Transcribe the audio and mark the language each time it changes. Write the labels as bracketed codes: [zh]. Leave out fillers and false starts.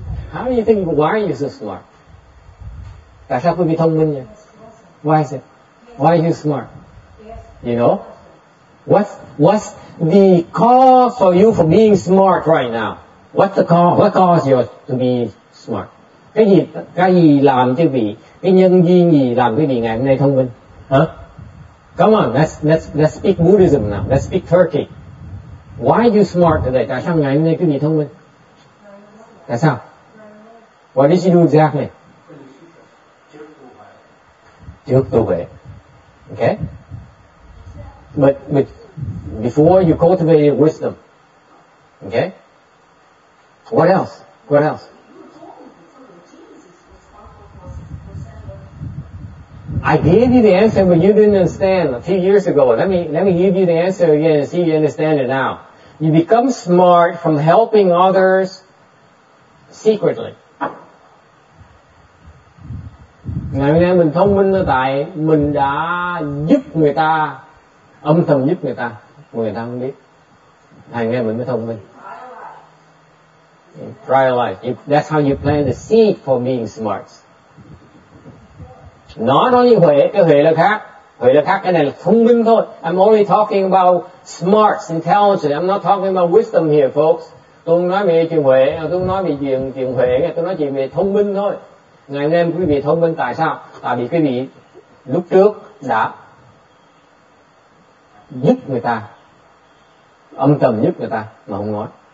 [en] How do you think, why are you so smart? Why is it? Why are you smart? You know? What's the cause for you for being smart right now? What's the cause? What caused you to be smart? [vi] Cái gì làm cho vị, cái nhân duyên gì làm cái vị ngày hôm nay thông minh? [en] Huh? Come on, let's speak Buddhism now. Let's speak Turkey. Why are you smart today? [vi] Tại sao ngày hôm nay cái vị thông minh? Tại sao? [en] What did you do exactly? [vi] Trước tu huệ. [en] Okay? But before you cultivate wisdom. Okay? What else? What else? I gave you the answer, but you didn't understand a few years ago. Let me give you the answer again and see if you understand it now. You become smart from helping others secretly. [vi] Ngày hôm nay mình thông minh là tại mình đã giúp người ta, âm thầm giúp người ta, người ta không biết. Ngày hôm nay mình mới thông minh. [en] Prior life. That's how you plant the seed for being smart. Not only [vi] huệ, cái huệ là khác. Huệ là khác, cái này là thông minh thôi. [en] I'm only talking about smarts, intelligence. I'm not talking about wisdom here, folks. [vi] Tôi không nói về chuyện huệ, tôi không nói về chuyện huệ, tôi nói chuyện về thông minh thôi. Ngày hôm nay quý vị thông minh tại sao? Tại vì quý vị lúc trước đã giúp người ta, âm thầm giúp người ta mà không nói.